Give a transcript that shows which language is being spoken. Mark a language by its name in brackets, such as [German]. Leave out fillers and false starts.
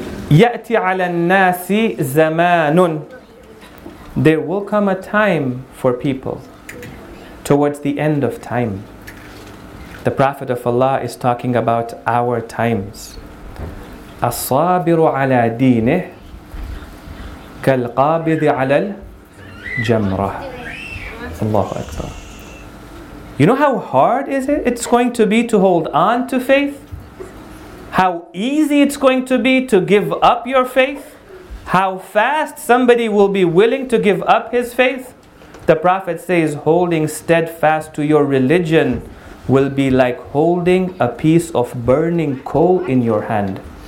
[Arabic] يأتي على الناس زمان. [English] There will come a time for people towards the end of time. The Prophet of Allah is talking about our times. [Arabic] الصابر على دينه كالقابض على الجمرة. [English] Allahu Akbar. You know how hard is it? It's going to be to hold on to faith. How easy it's going to be to give up your faith. How fast somebody will be willing to give up his faith. The Prophet says, holding steadfast to your religion will be like holding a piece of burning coal in your hand.